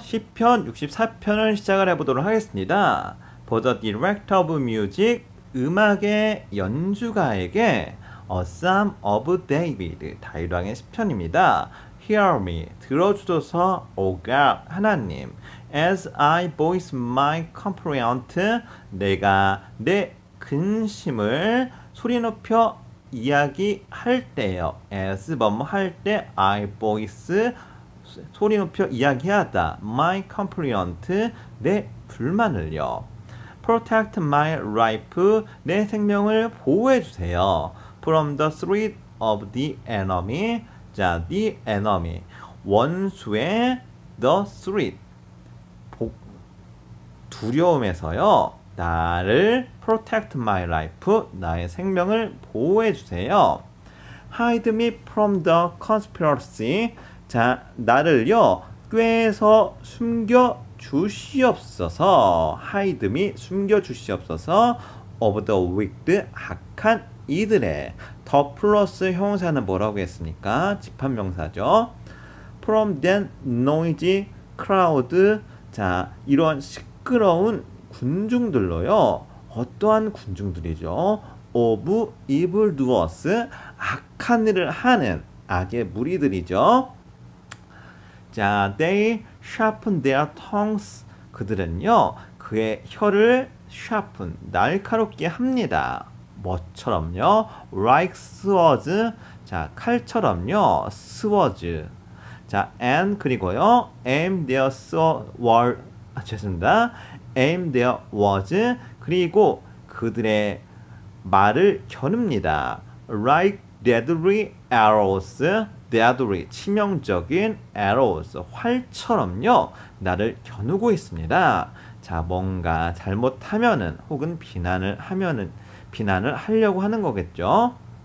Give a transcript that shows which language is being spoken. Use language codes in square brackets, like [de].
[ko] 시편 64편을 시작을 해보도록 하겠습니다. [en] For the Director of Music, [ko] 음악의 연주가에게 [en] A Psalm of David, [ko] 다윗왕의 시편입니다. [en] Hear me, [ko] 들어주소서, [en] O God, [ko] 하나님. [en] As I voice my complaint, [ko] 내가 내 근심을 소리 높여 이야기할 때요. As 뭐뭐 할 때, [en] I voice [ko] 소리 높여 이야기하다. [en] My complaint, [ko] 내 불만을요. [en] Protect my life, [ko] 내 생명을 보호해 주세요. [en] From the threat of the enemy, 자, the enemy, [ko] 원수의 [en] the threat, [ko] 두려움에서요. 나를 [en] protect my life, [ko] 나의 생명을 보호해 주세요. [en] Hide me from the conspiracy. [ko] 자, 나를요, 꾀에서 숨겨 주시옵소서. [en] Hide me, [ko] 숨겨 주시옵소서. [en] Of the wicked, [ko] 악한 이들의. [en] The plus [ko] 형용사는 뭐라고 했습니까? 집합명사죠. [en] From the noisy crowd. [ko] 자, 이런 시끄러운 군중들로요, 어떠한 군중들이죠? [en] Of evil doers, [ko] 악한 일을 하는 악의 무리들이죠. [en] 자, they sharpen their tongues. [ko] 그들은요, 그의 혀를 sharpen, 날카롭게 합니다. 뭐처럼요? [en] Like swords. [ko] 자, 칼처럼요, swords. [en] 자, and [ko] 그리고요, [en] aim their sword. [ko] 아, 죄송합니다. [en] Aim their words. [ko] 그리고 그들의 말을 겨눕니다. [en] Like deadly arrows. [ko] Deadly, 치명적인 arrows, 활처럼요, 나를 겨누고 있습니다. 자, 뭔가 잘못하면은, 혹은 비난을 하면은, 비난을 하려고 하는 거겠죠?